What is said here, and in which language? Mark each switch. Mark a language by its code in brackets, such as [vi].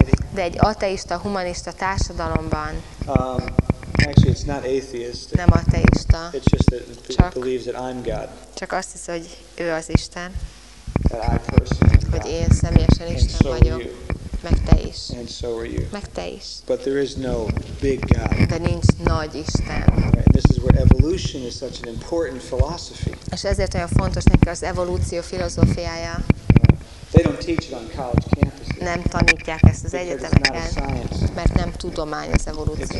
[hu] De egy ateista, humanista társadalomban [en] actually, it's not atheist. [hu] Nem ateista. [en] It's just that it believes that I'm God. [hu] Csak azt hiszi, hogy ő az Isten. [en] That I personally am God. [hu] Hogy én személyesen Isten [en] and so [hu] vagyok. Meg te is. [en] And so are you. [hu] Meg te is. [en] But there is no big God. [hu] De nincs nagy Isten. [en] Right. This is where evolution is such an important philosophy. [hu] És ezért olyan fontos neki az evolúció filozófiája. [en] They don't teach it on college campuses. [hu] Nem tanítják ezt az egyetemeken, mert nem tudomány az evolúció.